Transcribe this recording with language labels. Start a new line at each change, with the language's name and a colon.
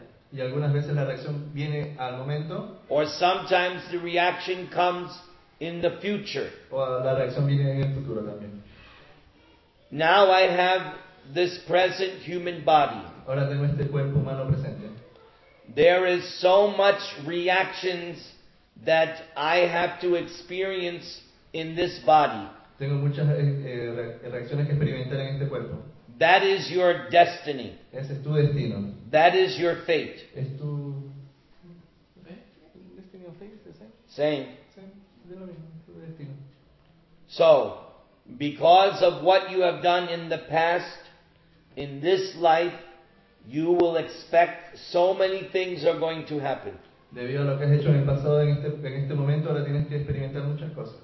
Spanish: Y algunas veces la reacción viene al momento.
English: Or sometimes the reaction comes in the future.
Spanish: O la reacción viene en el futuro también.
English: Now I have this present human body.
Spanish: Ahora tengo este cuerpo humano presente.
English: There is so much reactions that I have to experience in this body.
Spanish: Tengo muchas reacciones que experimentar en este cuerpo.
English: That is your destiny.
Spanish: Ese es tu destino.
English: That is your fate.
Spanish: Es tu
English: destiny or fate, same. Same. So, because of what you have done in the past, in this life, you will expect so many things are going to happen.
Spanish: Debido a lo que has hecho en el pasado, en este momento, ahora tienes que experimentar muchas cosas.